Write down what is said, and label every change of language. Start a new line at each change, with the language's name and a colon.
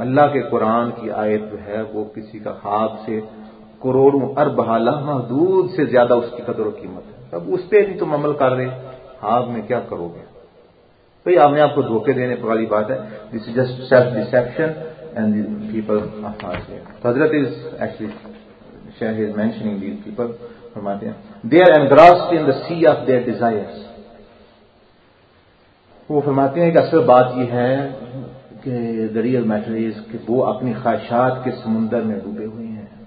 Urdu: اللہ کے قرآن کی آیت جو ہے وہ کسی کا خواب سے کروڑوں ارب حالہ محدود سے زیادہ اس کی قدر و قیمت ہے. اب اس پہ نہیں تم عمل کر رہے, خواب میں کیا کرو گے بھائی؟ ہم نے آپ کو دھوکے دینے والی بات ہے.
English: This is just self deception. And these people are here. Hazrat is actually, Shaykh is mentioning these people. They are engrossed in the sea of their desires.
Urdu: وہ فرماتے ہیں کہ اصل بات یہ ہے کہ
English: the real matter is
Urdu: کہ وہ اپنی خواہشات کے سمندر میں ڈوبے ہوئے ہیں.